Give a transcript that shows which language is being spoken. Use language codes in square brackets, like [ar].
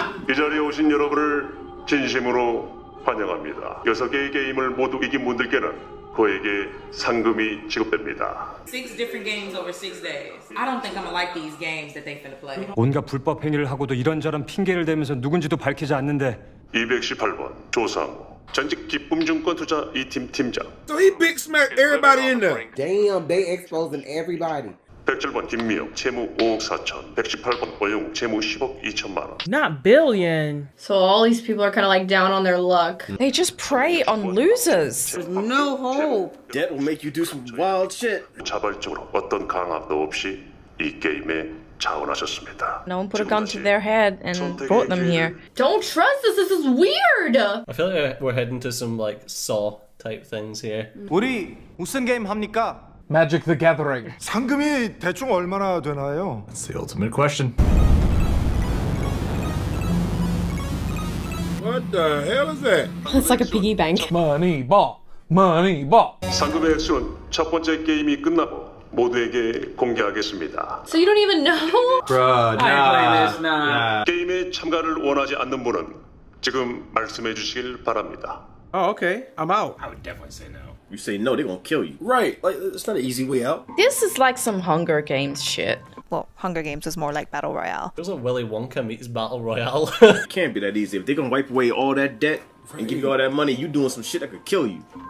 [ko] 이 자리에 오신 여러분을 진심으로 환영합니다. 여섯 개의 게임을 모두 이긴 분들께는 그에게 상금이 지급됩니다. [en] Six different games over six days. I don't think I'm gonna like these games that they finna play. [ko] 온갖 불법 행위를 하고도 이런저런 핑계를 대면서 누군지도 밝히지 않는데. 218번 조상우 전직 기쁨증권 투자 이 팀 팀장. [en] So he big smacked everybody in there. Damn, they exposing everybody. [ko] 107번 김미영 채무 5억 4천 118번 오영 채무 10억 2천만 원 [en] Not billion. So all these people are kind of like down on their luck. They just prey on losers. There's no hope. Debt will make you do some wild shit. [ko] 자발적으로 어떤 강압도 없이 이 게임에 자원하셨습니다. [en] No one put a gun to their head and brought them here. Don't trust us. This is weird. I feel like we're heading to some like Saw type things here. [ko] 우리 무슨 게임 합니까? [en] Magic the Gathering. [ko] 상금이 대충 얼마나 되나요? [en] That's the ultimate question. What the hell is that? It's like a piggy bank. Money ball. Money ball. [ko] 상금의 액수는 첫 번째 게임이 끝나고 모두에게 공개하겠습니다. [en] So you don't even know? Bruh, nah. I play this, nah. [ko] 게임에 참가를 원하지 않는 분은 지금 말씀해 주시길 바랍니다. [en] Oh, okay. I'm out. I would definitely say no. You say no, they're gonna kill you. Right, like, it's not an easy way out. This is like some Hunger Games shit. Well, Hunger Games is more like Battle Royale. It was like Willy Wonka meets Battle Royale. Can't be that easy. If they're gonna wipe away all that debt and give you all that money, you doing some shit that could kill you.